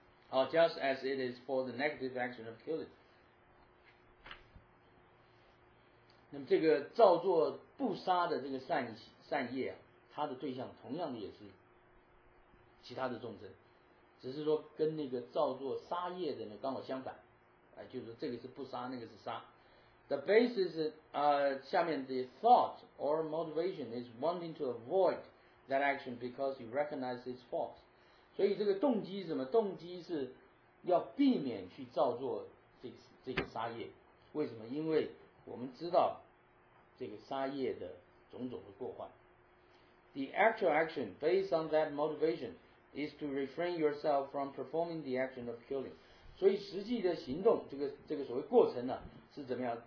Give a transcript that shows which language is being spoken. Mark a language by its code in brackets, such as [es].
[en] Just as it is for the negative action of killing， [zh] 那么这个造作不杀的这个善业啊，它的对象同样也是其他的众生，只是说跟那个造作杀业的呢刚好相反。就是这个是不杀，那个是杀。 [en] The basis, [zh] 下面的 [en] thought or motivation is wanting to avoid that action because you recognize its fault. [zh] 所以这个动机是什么？动机是要避免去造作这个杀业。为什么？因为我们知道这个杀业的种种的过患。 [en] The actual action based on that motivation is to refrain yourself from performing the action of killing. [zh] 所以实际的行动，这个所谓过程呢，是怎么样？